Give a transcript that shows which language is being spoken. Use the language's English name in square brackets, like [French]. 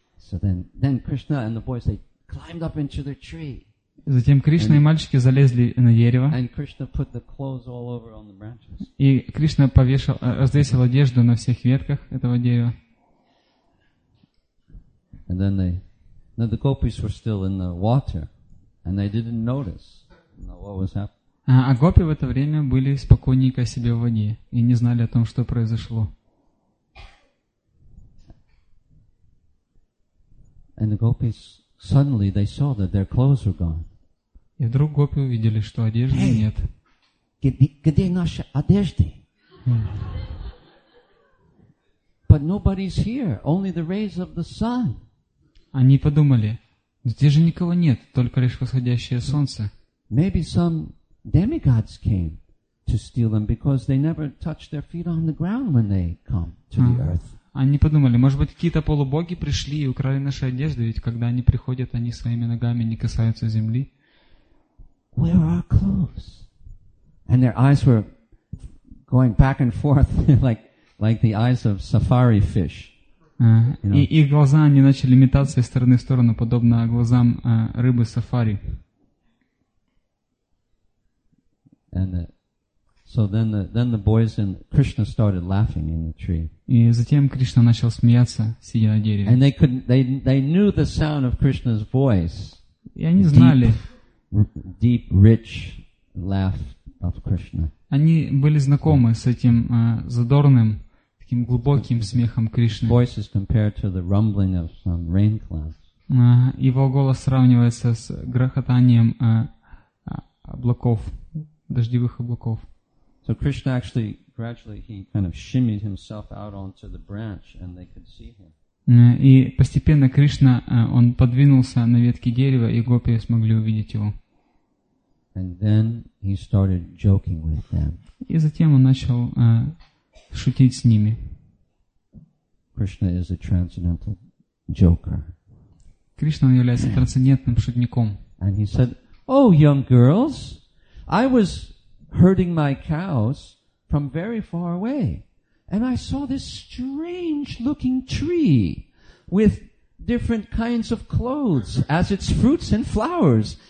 [English] So then Krishna and the boys they climbed up into the tree. [Russian] Затем Кришна и мальчики залезли на дерево. [English] And Krishna put the clothes all over on the branches. [Russian] И Кришна развесил одежду на всех ветках этого дерева. [English] And then the gopis were still in the water, and they didn't notice what was happening. [Russian] А гопи в это время были спокойненько себе в воде и не знали о том, что произошло. [English] And the gopis suddenly they saw that their clothes were gone. [Russian] И вдруг гопи увидели, что одежды нет. Где наши одежды? [English] But nobody's here, only the rays of the sun. [Russian] Они подумали, здесь же никого нет, только лишь восходящее солнце. [English] Maybe some demigods came to steal them because they never touch their feet on the ground when they come to the earth. [Russian] Они подумали, может быть, какие-то полубоги пришли и украли наши одежды, ведь когда они приходят, они своими ногами не касаются земли. [English] Where are our clothes? And their eyes were going back and forth like the eyes of safari fish. [Russian] И их глаза они начали метаться из стороны в сторону, подобно глазам рыбы сафари. [English] And so then the boys and Krishna started laughing in the tree. [Russian] И затем Кришна начал смеяться, сидя на дереве. [English] And they knew the sound of Krishna's voice. [Russian] И они знали. [English] Deep, rich laugh of Krishna. [Russian] Они были знакомы с этим задорным, таким глубоким смехом Кришны. [English] Voice is compared to the rumbling of some rain clouds. [Russian] Его голос сравнивается с грохотанием облаков. Дождевых облаков. [English] So Krishna actually gradually he kind of shimmied himself out onto the branch and they could see him. [Russian] И постепенно Кришна он подвинулся на ветке дерева, и гопи смогли увидеть его. [English] And then he started joking with them. [Russian] И затем он начал шутить с ними. [English] Krishna is a transcendental joker. [Russian] Кришна является трансцендентным шутником. [English] And he said, "Oh, young girls, I was herding my cows from very far away, and I saw this strange-looking tree with different kinds of clothes as its fruits and flowers.